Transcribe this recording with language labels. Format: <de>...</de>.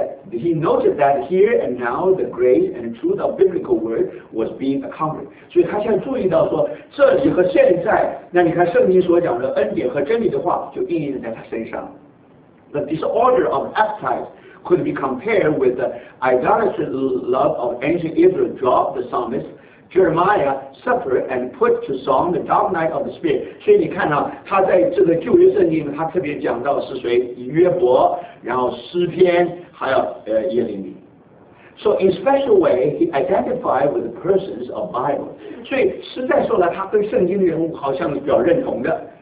<en>He noted that here and now the grace and truth of biblical word was being accomplished。</en> <zh>所以他现在注意到说，这里和现在，那你看圣经所讲的恩典和真理的话就应验在他身上。</zh> <en>The disorder of appetite could be compared with the idolatrous love of ancient Israel drove the psalmist Jeremiah suffered and put to song the dark night of the spirit。</en> <zh>所以你看啊，他在这个旧约圣经他特别讲到是谁，约伯，然后诗篇，还有耶利米。</zh> <en>So in special way he identified with the persons of Bible，所以实在说来他跟圣经的人物好像比较认同的。</en>